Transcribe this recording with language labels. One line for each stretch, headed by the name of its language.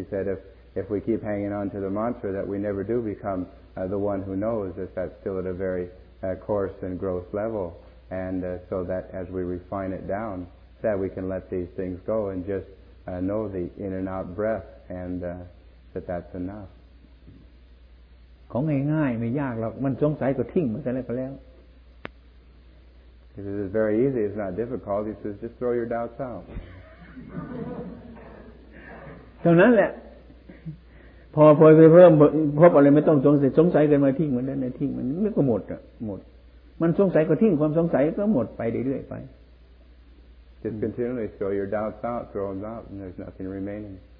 English: He said if we keep hanging on to the mantra, that we never do become the one who knows, if that's still at a very coarse and gross level, and so that as we refine it down, that we can let these things go and just know the in and out breath, and that's enough.
Thai: ของง่ายๆไม่ยากหรอกมันสงสัยก็ทิ้งมันซะแล้ว
English: This is very easy. It's not difficult. He says, just throw your doubts out.
Thai: เท่านั้นแหละพอไปเพิ่มพบอะไรไม่ต้องสงสัยกันมาทิ้งมันนั่นทิ้งมันมันก็หมดมันสงสัยก็ทิ้งความสงสัยก็หมดไปเรื่อยๆไป
English: Just continually throw your doubts out, throw them out, and there's nothing remaining.